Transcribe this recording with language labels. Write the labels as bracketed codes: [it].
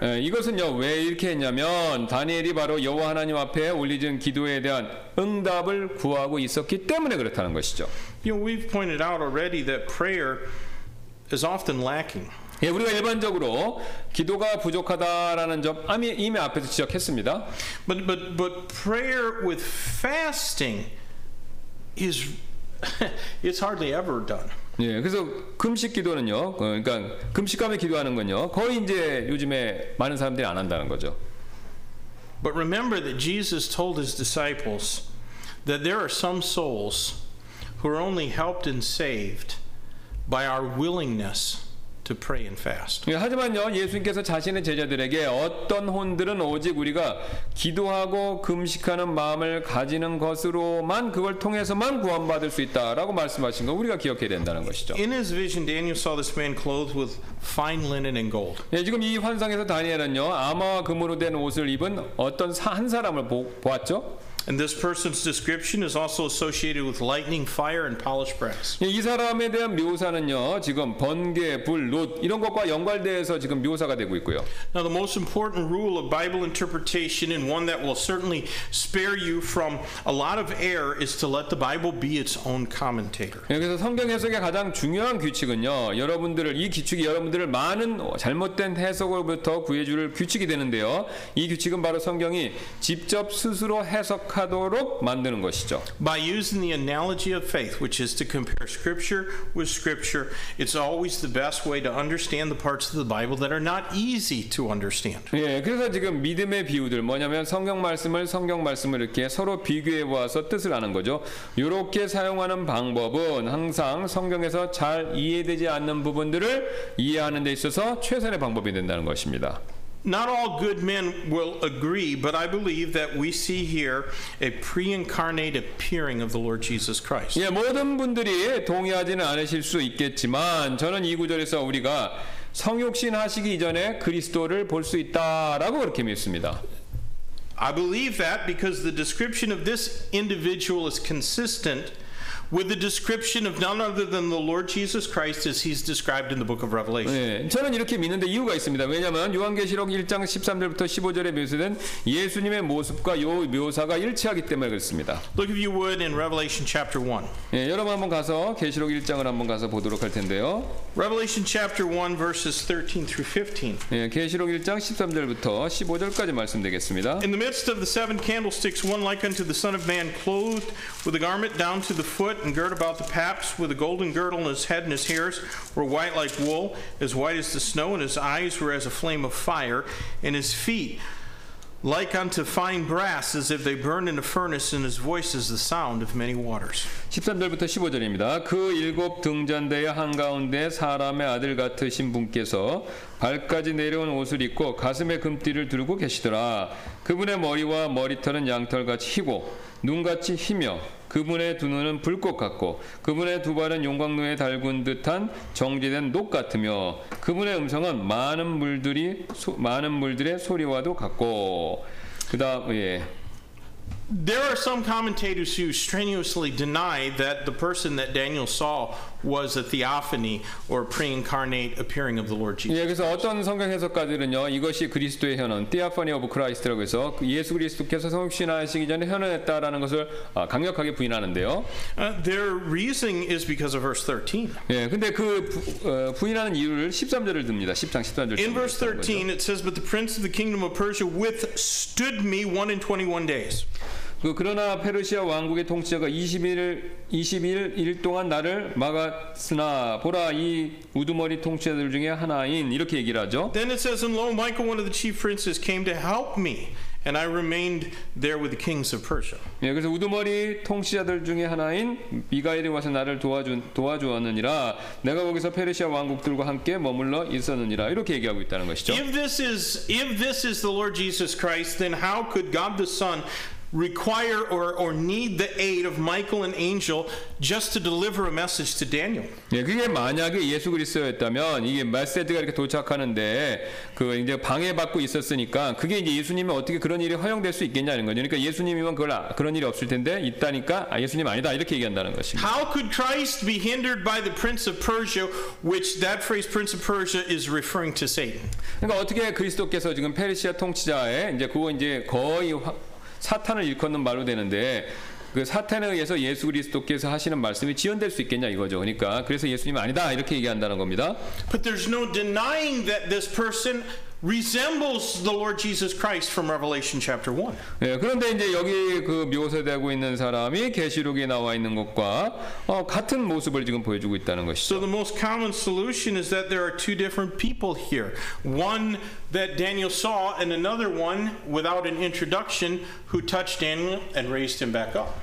[ko] 예, 이것은요 왜 이렇게 했냐면 다니엘이 바로 여호와 하나님 앞에 올리는 기도에 대한 응답을 구하고 있었기 때문에 그렇다는 것이죠. [en] You know, we've pointed out already that prayer is often lacking. [ko] 예, 우리가 일반적으로 기도가 부족하다라는 점 이미 앞에서 지적했습니다. [en] But prayer with fasting is it's hardly ever done. [ko] 예, 그래서 금식 기도는요. 그러니까 금식감에 기도하는 건요. 거의 이제 요즘에 많은 사람들이 안 한다는 거죠. [en] But remember that Jesus told his disciples that there are some souls who are only helped and saved by our willingness to pray and fast. [ko] 예, 하지만요, 예수님께서 자신의 제자들에게 어떤 혼들은 오직 우리가 기도하고 금식하는 마음을 가지는 것으로만 그걸 통해서만 구원받을 수 있다라고 말씀하신 거 우리가 기억해야 된다는 것이죠. [en] In his vision, Daniel saw this man clothed with fine linen and gold. [ko] 예, 지금 이 환상에서 다니엘은요, 아마와 금으로 된 옷을 입은 어떤 한 사람을 보았죠. [en] And this person's description is also associated with lightning, fire, and polished brass. [ko] 예, 이 사람에 대한 묘사는요, 지금 번개, 불, 롯 이런 것과 연관돼서 지금 묘사가 되고 있고요. [en] Now the most important rule of Bible interpretation, and one that will certainly spare you from a lot of error, is to let the Bible be its own commentator. [ko] 예, 그래서 성경 해석의 가장 중요한 규칙은요, 여러분들을 이 규칙이 여러분들을 많은 잘못된 해석으로부터 구해줄 규칙이 되는데요. 이 규칙은 바로 성경이 직접 스스로 해석 하도록 만드는 것이죠. [en] By using the analogy of faith, which is to compare scripture with scripture, it's always the best way to understand the parts of the Bible that are not easy to understand. [ko] 예, 그래서 지금 믿음의 비유들 뭐냐면 성경 말씀을 이렇게 서로 비교해 보아서 뜻을 아는 거죠. 이렇게 사용하는 방법은 항상 성경에서 잘 이해되지 않는 부분들을 이해하는 데 있어서 최선의 방법이 된다는 것입니다. [en] Not all good men will agree, but I believe that we see here a pre-incarnate appearing of the Lord Jesus Christ. [ko] 예, 모든 분들이 동의하지는 않으실 수 있겠지만 저는 이 구절에서 우리가 성육신 하시기 이전에 그리스도를 볼 수 있다라고 그렇게 믿습니다. [en] I believe that because the description of this individual is consistent with the description of none other than the Lord Jesus Christ as he's described in the book of Revelation. [ko] 네, 저는 이렇게 믿는데 이유가 있습니다. 왜냐하면 요한계시록 1장 13절부터 15절에 묘사된 예수님의 모습과 요 묘사가 일치하기 때문에 그렇습니다. [en] Look if you would in Revelation chapter 1. [ko] 예, 여러분 한번 가서 계시록 1장을 한번 가서 보도록 할 텐데요. [en] Revelation chapter 1 verses 13 through 15. [ko] 예, 계시록 1장 13절부터 15절까지 말씀드리겠습니다. [en] In the midst of the seven candlesticks, one like unto the Son of Man, clothed with a garment down to the foot, and girt about the paps with a golden girdle, and his head and his hairs were white like wool, as white as the snow, and his eyes were as a flame of fire, and his feet like unto fine brass, as if they burned in a furnace, and his voice is the sound of many waters. [ko] 13절부터 15절입니다. 그 일곱 등잔대의 한가운데 사람의 아들 같으신 분께서 발까지 내려온 옷을 입고 가슴에 금띠를 두르고 계시더라. 그분의 머리와 머리털은 양털같이 희고 눈같이 희며 그분의 두 눈은 불꽃 같고 그분의 두 발은 용광로에 달군 듯한 정제된 녹 같으며 그분의 음성은 많은 물들의 소리와도 같고 그다음 예. [en] There are some commentators who strenuously deny that the person that Daniel saw was a theophany or pre-incarnate appearing of the Lord Jesus. [ko] 예, 그래서 어떤 성경 해석가들은요, 이것이 그리스도의 현원, [en] theophany of Christ [ko] 라고 해서 예수 그리스도께서 성육신하시기 전에 현원했다라는 것을 강력하게 부인하는데요. [en] Their reasoning is because of verse 13. [ko] 예, 근데 그 부인하는 이유를 13절을 듭니다. 10장 13절. [en] In verse 13, it says, "But the prince of the kingdom of Persia withstood me 121 days." [ko] 그러나 페르시아 왕국의 통치자가 21일 동안 나를 막았으나 보라 이 우두머리 통치자들 중에 하나인 이렇게 얘기를 하죠. [en] Then it says, and lo, Michael, one of the chief princes, came to help me, and I remained there with the kings of Persia. [ko] 예, 그래서 우두머리 통치자들 중에 하나인 미가엘이 와서 나를 도와주었느니라 내가 거기서 페르시아 왕국들과 함께 머물러 있었느니라 이렇게 얘기하고 있다는 것이죠. [en] If this is the Lord Jesus Christ, then how could God the Son require or need the aid of Michael and Angel just to deliver a message to Daniel. [ko] 예, 그게 만약에 예수 그리스도였다면 이게 메시지가 이렇게 도착하는데 그 이제 방해받고 있었으니까 그게 이제 예수님이 어떻게 그런 일이 허용될 수 있겠냐는 거죠. 그러니까 예수님이면 그런 일이 없을 텐데 있다니까 아, 예수님 아니다 이렇게 얘기한다는 것입니다. [en] How could Christ be hindered by the prince of Persia, which that phrase prince of Persia is referring to Satan? [ko] 그러니까 어떻게 그리스도께서 지금 페르시아 통치자의 이제 그거 이제 거의 사탄을 일컫는 말로 되는데 그 사탄에 의해서 예수 그리스도께서 하시는 말씀이 지연될 수 있겠냐 이거죠. 그러니까 그래서 예수님 아니다 이렇게 얘기한다는 겁니다. [en] But there's no denying that this person resembles the Lord Jesus Christ from Revelation chapter 1. [ko] 예, 그런데 이제 여기 그 묘사되고 있는 사람이 계시록에 나와 있는 것과 같은 모습을 지금 보여주고 있다는 것이죠. [en] So the most common solution is that there are two different people here. One that Daniel saw and another one without an introduction who touched Daniel and raised him back up.